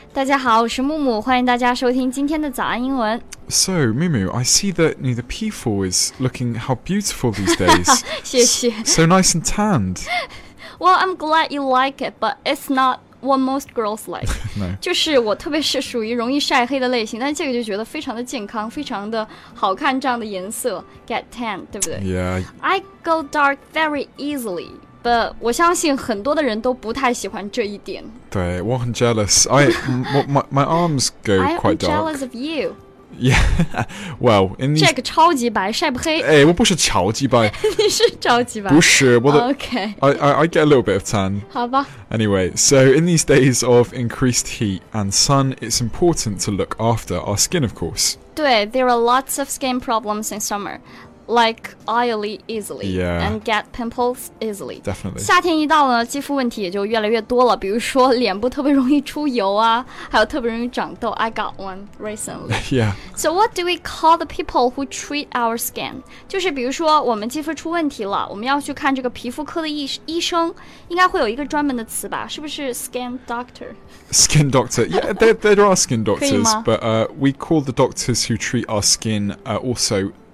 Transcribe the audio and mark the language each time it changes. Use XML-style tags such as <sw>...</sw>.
<zh>大家好，我是木木，欢迎大家收听今天的早安英文。</zh> <en>So, Mumu, I see that you know, the people is looking how beautiful these days.</en> <zh>谢谢。</zh> <en>So nice and tanned. Well, I'm glad you like it, but it's not what most girls like. No.</en> <zh>就是我特别是属于容易晒黑的类型，但这个就觉得非常的健康，非常的好看这样的颜色 ，</zh> <en>get tan，</en> <zh>对不对</zh> <en>？Yeah. I go dark very easily.</en> <zh>But 我相信很多的人都不太喜欢这一点。对，我很</zh> <en>jealous. My arms go quite dark. I'm jealous of you. Yeah. Well, in these...</en> <zh>Jack 超级白，晒不黑。哎，我不是超级白。你是超级白。不是，我的。</zh> <en>Okay. I get a little bit of tan.</en> <zh>好吧。</zh> <en>Anyway, so in these days of increased heat and sun, it's important to look after our skin, of course. 对 ，there are lots of skin problems in summer. Like oily easily、 yeah. and get pimples easily. Definitely.</en> <zh>夏天一到呢，肌肤问题也就越来越多了。比如说脸部特别容易出油啊，还有特别容易长痘。</zh> <en>I got one recently. Yeah. So what do we call the people who treat our skin?</en> <zh>就是比如说我们肌肤出问题了，我们要去看这个皮肤科的医生，应该会有一个专门的词吧？是不是 skin doctor?</zh> <en>Skin doctor. Yeah, there are skin doctors, but we call the doctors who treat our skin also.</en>